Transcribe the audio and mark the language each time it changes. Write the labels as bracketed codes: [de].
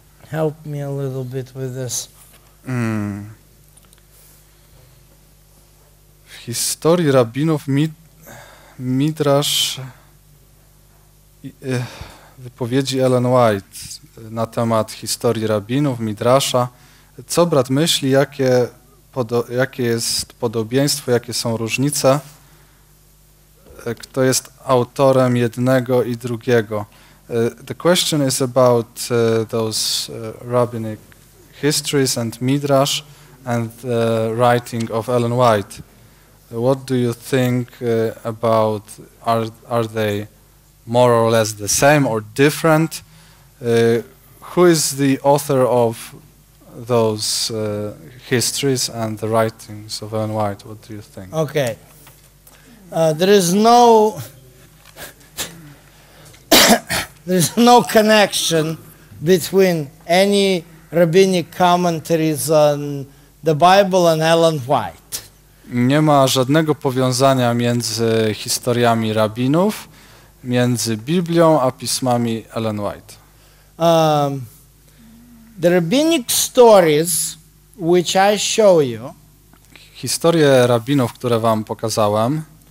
[en] Help me a little bit with this. [pl] W historii rabinów Midrasz wypowiedzi Ellen White na temat historii rabinów, Midrasza. Co brat myśli, jakie jest podobieństwo, jakie są różnice? Kto jest autorem jednego i drugiego? [en] The question is about those rabbinic histories and Midrash and the writing of Ellen White. What do you think about, are they more or less the same or different? Who is the author of those histories and the writings of Ellen White? What do you think? Okay. There is no there is no connection between any rabbinic commentaries on the Bible and Ellen White. [pl] Nie ma żadnego powiązania między historiami rabinów, między Biblią a pismami Ellen White. [en] The rabbinic stories, which I show you, [pl] historie rabinów, które wam pokazałem,